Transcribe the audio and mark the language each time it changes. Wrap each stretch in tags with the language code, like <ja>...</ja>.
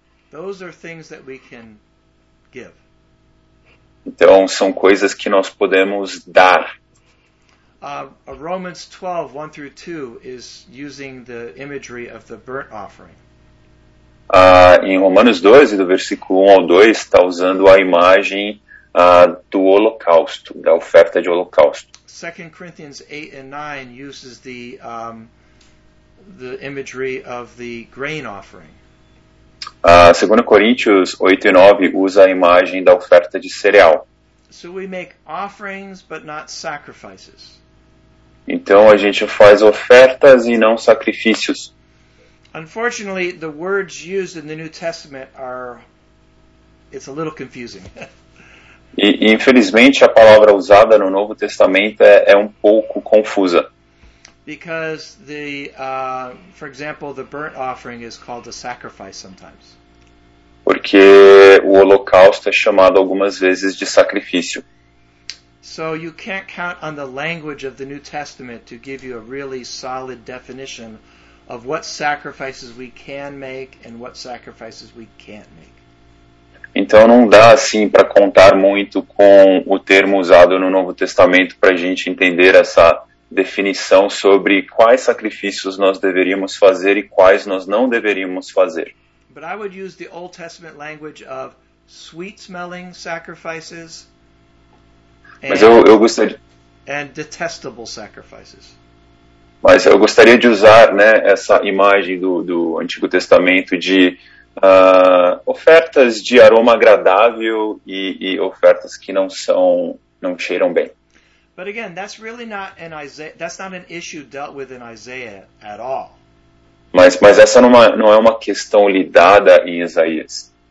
<en>Those are things that we can give.</en> <pt>Então, são coisas que nós podemos dar.</pt> <en>Romans 12, 1 through 2 is using the imagery of the burnt offering.</en> <pt>Em Romanos 12, do versículo 1 ao 2, está usando a imagem do holocausto, da oferta de holocausto.</pt> <en>2 Corinthians 8 and 9 uses the imagery of the grain offering.</en> <pt>2 Coríntios 8 e 9 usa a imagem da oferta de cereal.</pt> <en>So we make offerings, but not sacrifices.</en> <pt>Então a gente faz ofertas e não sacrifícios.</pt> <en>Unfortunately, the words used in the New Testament it's a little confusing.</en> <pt>E infelizmente a palavra usada no Novo Testamento é um pouco confusa.</pt> <en>Because the for example, the burnt offering is called a sacrifice sometimes.</en> <pt>Porque o holocausto é chamado algumas vezes de sacrifício.</pt> <en>So you can't count on the language of the New Testament to give you a really solid definition of what sacrifices we can make and what sacrifices we can't make.</en> <pt>Então não dá assim para contar muito com o termo usado no Novo Testamento para a gente entender essa definição sobre quais sacrifícios nós deveríamos fazer e quais nós não deveríamos fazer.</pt> <en>But I would use the Old Testament language of sweet-smelling sacrifices. And detestable sacrifices.</en> <pt>Mas eu gostaria de usar, né, essa imagem do Antigo Testamento de ofertas de aroma agradável e ofertas que não cheiram bem.</pt> <en>But again, that's really not an Isaiah. That's not an issue dealt with in Isaiah at all.</en> <pt>Mas essa não é uma questão lidada em Isaías.</pt>